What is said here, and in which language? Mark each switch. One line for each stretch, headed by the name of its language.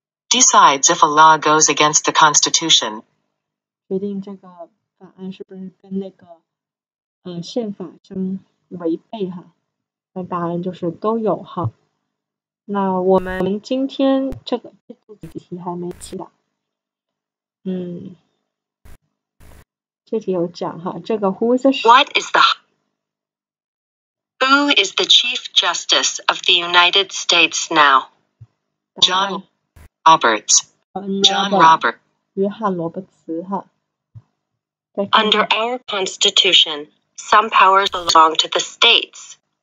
English: Decides if a law goes against the Constitution.
Chinese: 决定这个法案是不是跟那个宪法相违背哈。答案就是都有哈。那我们今天这个题还没起的，这题有讲哈。这个
English: Who is the Chief Justice of the United States now? John Roberts. John Roberts.
Chinese: 约翰罗伯茨哈。
English: Under our Constitution, some powers belong to the states.